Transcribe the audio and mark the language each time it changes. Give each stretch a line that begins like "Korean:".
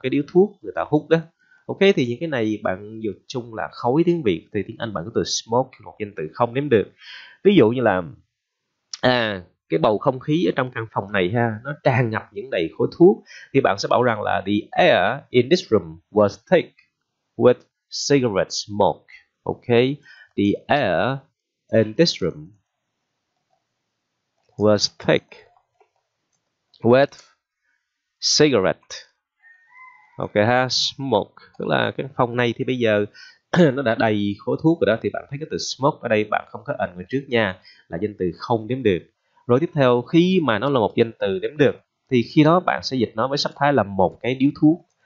Vietnamese: Cái điếu thuốc người ta hút đó. Ok, thì những cái này bạn dùng chung là khói tiếng Việt, thì tiếng Anh bạn có từ smoke, một danh từ không đếm được. Ví dụ như là cái bầu không khí ở trong căn phòng này ha, nó tràn ngập những đầy khói thuốc, thì bạn sẽ bảo rằng là
English: the air in this room was thick with cigarette smoke. Ok, the air in this room was thick with cigarette.
Vietnamese: Ok ha, smoke, tức là cái phòng này thì bây giờ nó đã đầy khói thuốc rồi đó. Thì bạn thấy cái từ smoke ở đây bạn không có ẩn ở trước nha, là danh từ không đếm được. Rồi tiếp theo, khi mà nó là một danh từ đếm được thì khi đó bạn sẽ dịch nó với sắc thái là một cái điếu thuốc.